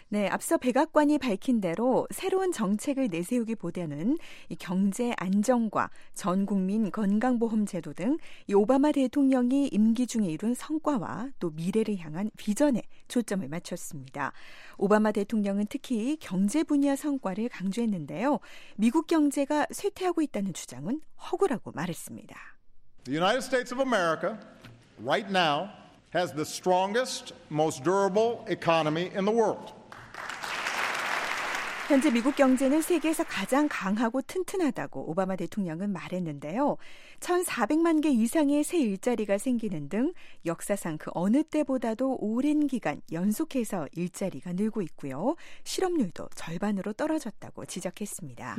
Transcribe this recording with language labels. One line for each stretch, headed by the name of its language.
Korean: 네, 앞서 백악관이 밝힌 대로 새로운 정책을 내세우기보다는 이 경제 안정과 전 국민 건강보험 제도 등 이 오바마 대통령이 임기 중에 이룬 성과와 또 미래를 향한 비전에 초점을 맞췄습니다. 오바마 대통령은 특히 경제 분야 성과를 강조했는데요. 미국 경제가 쇠퇴하고 있다는 주장은 허구라고 말했습니다.
English: The United States of America right now has the strongest, most durable economy in the world.
Korean: 현재 미국 경제는 세계에서 가장 강하고 튼튼하다고 오바마 대통령은 말했는데요. 1,400만 개 이상의 새 일자리가 생기는 등 역사상 그 어느 때보다도 오랜 기간 연속해서 일자리가 늘고 있고요. 실업률도 절반으로 떨어졌다고 지적했습니다.